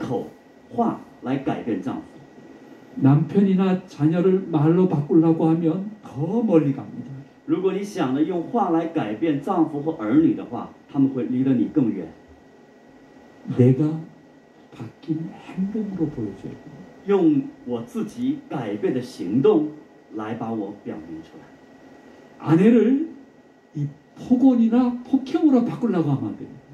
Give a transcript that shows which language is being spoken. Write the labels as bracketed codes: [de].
[ko] 마십시오. [zh] 你不要想着用你的口话来改变丈夫。 [ko] 남편이나 자녀를 말로 바꾸려고 하면 더 멀리 갑니다. [zh] 如果你想着用话来改变丈夫和儿女的话，他们会离得你更远。 [ko] 내가 바뀐 행동으로 보여줘야 돼. [zh] 用我自己改变的行动来把我表明出来。 [ko] 아내를 이 폭언이나 폭행으로 바꾸려고 하면 안 돼.